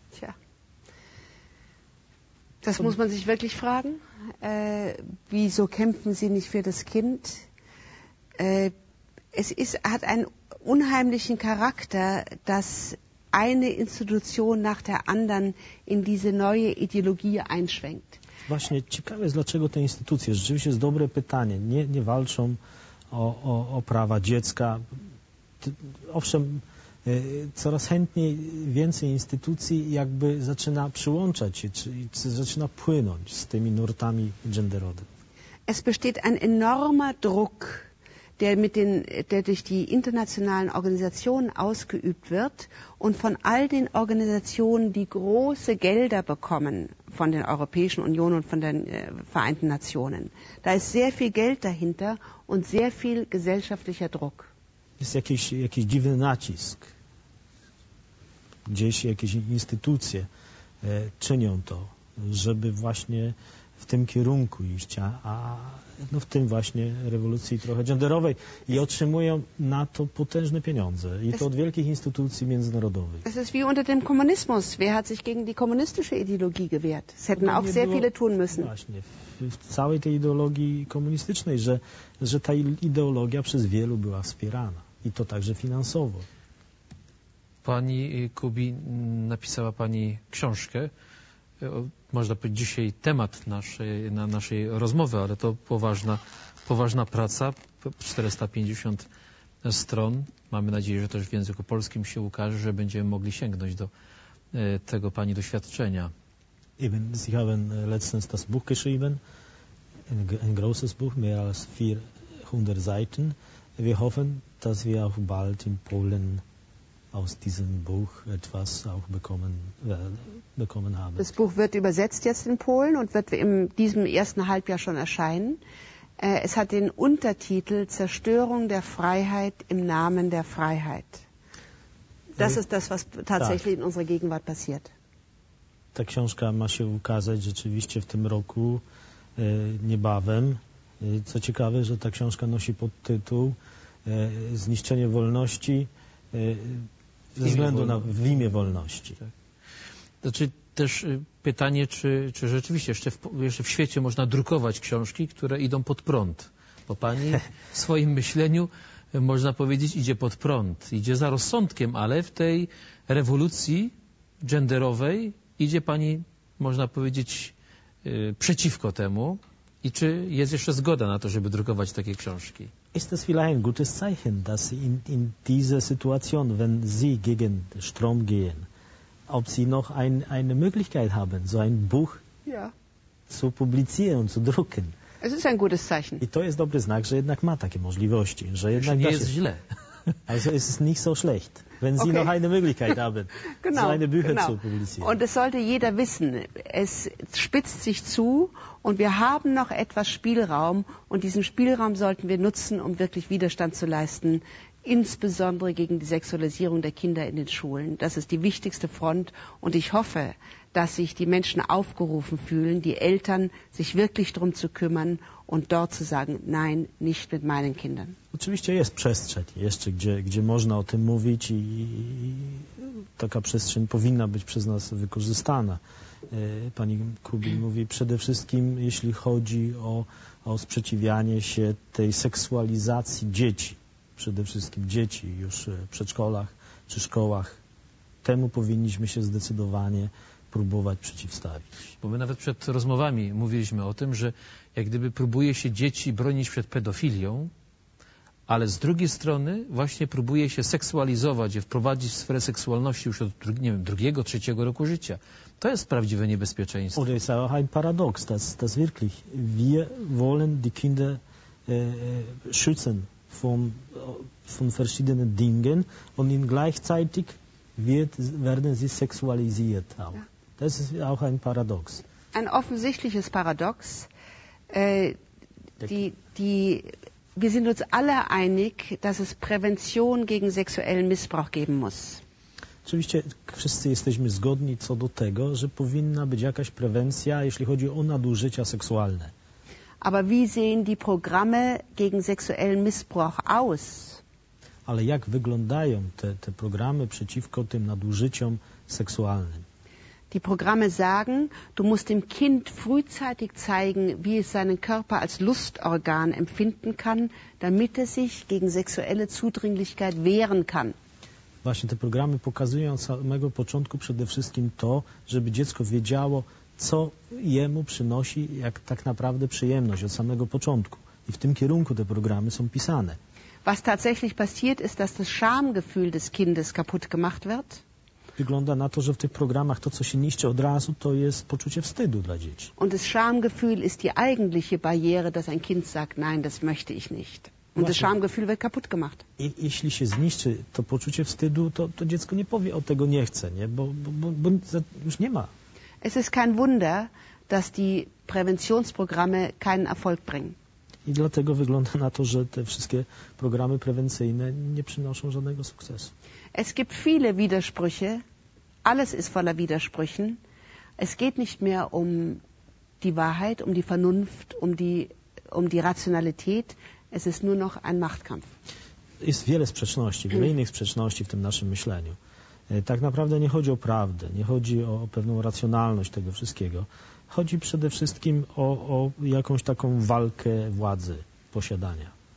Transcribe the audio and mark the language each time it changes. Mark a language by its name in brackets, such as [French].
[German] Tja, das muss man sich wirklich fragen. Wieso kämpfen sie nicht für das Kind? Es hat einen unheimlichen Charakter, dass eine Institution nach der anderen in diese neue Ideologie einschwenkt. [Polish] Właśnie, ciekawe jest, dlaczego te instytucje, rzeczywiście jest dobre pytanie, nie walczą o prawa dziecka. Owszem, coraz chętniej więcej instytucji jakby zaczyna przyłączać się, czy zaczyna płynąć z tymi nurtami genderowymi. [German] Es besteht ein enormer Druck, der durch die internationalen Organisationen ausgeübt wird und von all den Organisationen, die große Gelder bekommen von den Europäischen Union und von den Vereinten Nationen. Da ist sehr viel Geld dahinter und sehr viel gesellschaftlicher Druck. [Polish] Jest jakiś dziwny nacisk. Gdzieś jakieś instytucje czynią to, żeby właśnie w tym kierunku iść, a w tym właśnie rewolucji trochę genderowej i otrzymują na to potężne pieniądze i to od wielkich instytucji międzynarodowych. [German] Es ist wie unter dem Kommunismus. Wer hat sich gegen die kommunistische Ideologie gewehrt? Es hätten auch sehr viele tun müssen. [Polish] Właśnie, w całej tej ideologii komunistycznej, że ta ideologia przez wielu była wspierana i to także finansowo. Pani Kubi, napisała pani książkę. Można powiedzieć dzisiaj temat naszej rozmowy, ale to poważna praca, 450 stron. Mamy nadzieję, że też w języku polskim się ukaże, że będziemy mogli sięgnąć do tego pani doświadczenia. [German] Sie haben letztens das Buch geschrieben, ein großes Buch, mehr als 400 Seiten. Wir hoffen, dass wir auch bald in Polen aus diesem Buch etwas auch bekommen haben. Das Buch wird übersetzt jetzt in Polen und wird in diesem ersten Halbjahr schon erscheinen. Es hat den Untertitel Zerstörung der Freiheit im Namen der Freiheit. Das ist das, was tatsächlich in unserer Gegenwart passiert. [Polish] Ta książka ma się ukazać rzeczywiście w tym roku, niebawem. Co ciekawe, że ta książka nosi pod tytuł Zniszczenie wolności ze względu na w imię wolności. Tak. Znaczy też pytanie, czy rzeczywiście jeszcze w świecie można drukować książki, które idą pod prąd. Bo pani w swoim myśleniu, można powiedzieć, idzie pod prąd. Idzie za rozsądkiem, ale w tej rewolucji genderowej idzie pani, można powiedzieć, przeciwko temu. I czy jest jeszcze zgoda na to, żeby drukować takie książki? [German] Ist das vielleicht ein gutes Zeichen, dass in dieser Situation, wenn Sie gegen Strom gehen, ob Sie noch eine Möglichkeit haben, so ein Buch zu publizieren, zu drucken? Es ist ein gutes Zeichen. [Polish] I to jest dobry znak, że jednak ma takie możliwości. Że jednak nie jest źle. [German] Also es ist nicht so schlecht, wenn Sie noch eine Möglichkeit haben, genau, so eine Bücher genau zu publizieren. Und das sollte jeder wissen. Es spitzt sich zu und wir haben noch etwas Spielraum und diesen Spielraum sollten wir nutzen, um wirklich Widerstand zu leisten, insbesondere gegen die Sexualisierung der Kinder in den Schulen. Das ist die wichtigste Front und ich hoffe, dass sich die Menschen aufgerufen fühlen, die Eltern sich wirklich darum zu kümmern und dort zu sagen, nein, nicht mit meinen Kindern. [Polish] Oczywiście jest przestrzeń jeszcze, gdzie można o tym mówić i taka przestrzeń powinna być przez nas wykorzystana. Pani Kubi mówi przede wszystkim, jeśli chodzi o sprzeciwianie się tej seksualizacji dzieci. Przede wszystkim dzieci już w przedszkolach czy szkołach. Temu powinniśmy się zdecydowanie próbować przeciwstawić. Bo my nawet przed rozmowami mówiliśmy o tym, że jak gdyby próbuje się dzieci bronić przed pedofilią, ale z drugiej strony właśnie próbuje się seksualizować i wprowadzić w sferę seksualności już od, nie wiem, drugiego, trzeciego roku życia. To jest prawdziwe niebezpieczeństwo. [German] Oder ist auch ein Paradox, das wirklich. Wir wollen die Kinder schützen von verschiedenen Dingen und ihnen gleichzeitig werden sie seksualisiert auch. Das ist auch ein Paradox. Ein offensichtliches Paradox. Wir sind uns alle einig, dass es Prävention gegen sexuellen Missbrauch geben muss. [Polish] Oczywiście wszyscy jesteśmy zgodni co do tego, że powinna być jakaś prewencja, jeśli chodzi o nadużycia seksualne. [German] Aber wie sehen die Programme gegen sexuellen Missbrauch aus? [Polish] Ale jak wyglądają te programy przeciwko tym nadużyciom seksualnym? [German] Die Programme sagen, du musst dem Kind frühzeitig zeigen, wie es seinen Körper als Lustorgan empfinden kann, damit es sich gegen sexuelle Zudringlichkeit wehren kann. [Polish] Właśnie te programy pokazują od samego początku przede wszystkim to, żeby dziecko wiedziało, co jemu przynosi jak tak naprawdę przyjemność od samego początku. I w tym kierunku te programy są pisane. [German] Was tatsächlich passiert ist, dass das Schamgefühl des Kindes kaputt gemacht wird. [Polish] Wygląda na to, że w tych programach to, co się niszczy od razu, to jest poczucie wstydu dla dzieci. [German] Und das Schamgefühl ist die eigentliche Barriere, dass ein Kind sagt, nein, das möchte ich nicht. Und das Schamgefühl wird kaputt gemacht. [Polish] Jeśli się zniszczy to poczucie wstydu, to dziecko nie powie, o tego nie chce, nie? Bo już nie ma. [German] Es ist kein Wunder, dass die Präventionsprogramme keinen Erfolg bringen. [Polish] I dlatego wygląda na to, że te wszystkie programy prewencyjne nie przynoszą żadnego sukcesu. [German] Es gibt viele Widersprüche. Alles ist voller Widersprüchen. Es geht nicht mehr um die Wahrheit, um die Vernunft, um die Rationalität. Es ist nur noch ein Machtkampf. [Polish] Jest wiele sprzeczności, wiele innych sprzeczności w tym naszym myśleniu. Tak naprawdę nie chodzi o prawdę, nie chodzi o pewną racjonalność tego wszystkiego. Chodzi przede wszystkim o jakąś taką walkę władzy, posiadania.